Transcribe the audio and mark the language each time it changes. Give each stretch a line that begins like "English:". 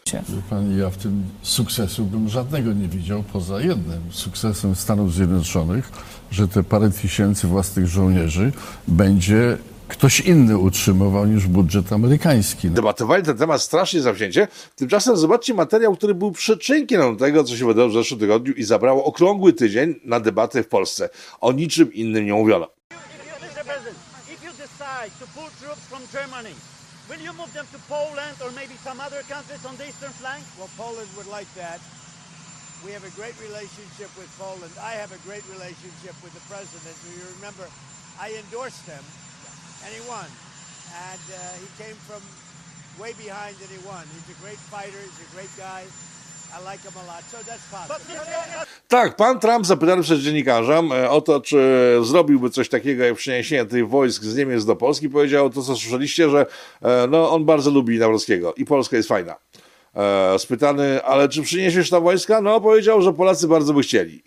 Polish: Wie pan, ja w tym sukcesu bym żadnego nie widział, poza jednym sukcesem Stanów Zjednoczonych, że te parę tysięcy własnych żołnierzy będzie ktoś inny utrzymywał niż budżet amerykański. Debatowali ten temat strasznie zawzięcie. Tymczasem zobaczcie materiał, który był przyczynkiem tego, co się wydarzyło w zeszłym tygodniu i zabrało okrągły tydzień na debaty w Polsce. O niczym innym nie mówiono.
English: If you decide to pull troops from Germany, will you move them to Poland or maybe some other countries on the eastern flank? Well, Poland would like that. We have a great relationship with Poland. I have a great relationship with the president. You remember, I endorsed him. And he won. And he came from way behind and he won. He's a great fighter, he's a great guy. I like him a lot. So that's possible.
Polish: Tak, pan Trump zapytany przez dziennikarza o to, czy zrobiłby coś takiego jak przeniesienie tych wojsk z Niemiec do Polski, powiedział to, co słyszeliście, że no, on bardzo lubi Nawrockiego i Polska jest fajna. Spytany, ale czy przyniesiesz tam wojska? No, powiedział, że Polacy bardzo by chcieli.